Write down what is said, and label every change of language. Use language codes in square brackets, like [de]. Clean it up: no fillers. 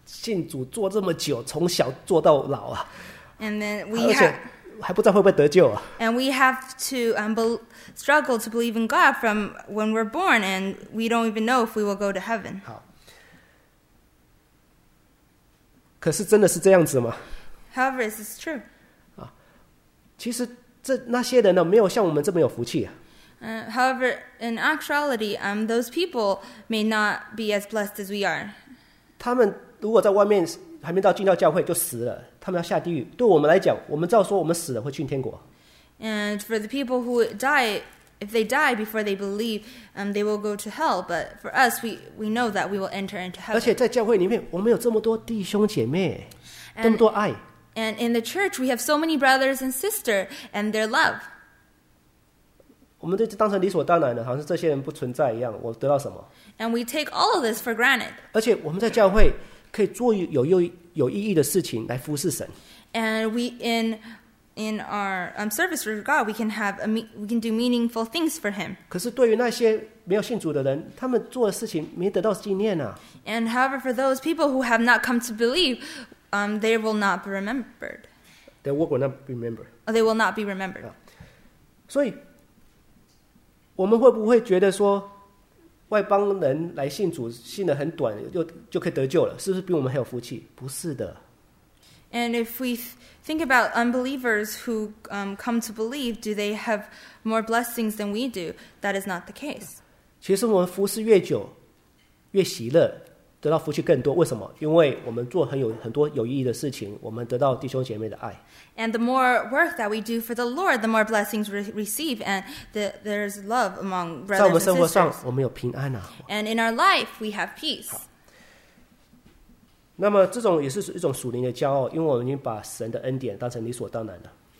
[zh] 信主做这么久，从小做到老啊。 [en] And then we have. [zh] 还不知道会不会得救啊? [en] And we have to struggle to believe in God from when we're born, and we don't even know if we will go to heaven. [zh] 好，可是真的是这样子吗? [en] However, is this true? [zh] 啊，其实这那些人呢，没有像我们这么有福气啊。 [en] However, in actuality, those people may not be as blessed as we are. [zh] 他们如果在外面还没到进到教会就死了，他们要下地狱。对我们来讲，我们照说我们死了会进天国。 [en] And for the people who die, if they die before they believe, they will go to hell. But for us, we know that we will enter into heaven. [zh] 而且在教会里面，我们有这么多弟兄姐妹，这么多爱。 [en] And in the church, we have so many brothers and sisters and their love. [zh] 我们就当成理所当然的，好像是这些人不存在一样。我得到什么 [en] ？And we take all of this for granted. [zh] 而且我们在教会可以做有意义的事情来服侍神。 [en] And we in our service for God, we can do meaningful things for Him. [zh] 可是对于那些没有信主的人，他们做的事情没得到纪念啊。 [en] And however, for those people who have not come to believe. They will not be remembered. Their work will not be remembered. They will not be remembered. [zh] 所以，我们会不会觉得说，外邦人来信主信的很短，就可以得救了？是不是比我们还有福气？不是的。 [en] And if we think about unbelievers who come to believe, do they have more blessings than we do? That is not the case. [zh] 其实我们服侍越久，越喜乐。得到福气更多，为什么？因为我们做很多有意义的事情，我们得到弟兄姐妹的爱。 [en] And the more work that we do for the Lord, the more blessings we receive, and there's love among brothers and sisters. [zh] 在我们生活上，我们有平安啊。 [en] And in our life, we have peace. [zh] 那么这种也是一种属灵的骄傲，因为我们已经把神的恩典当成理所当然了。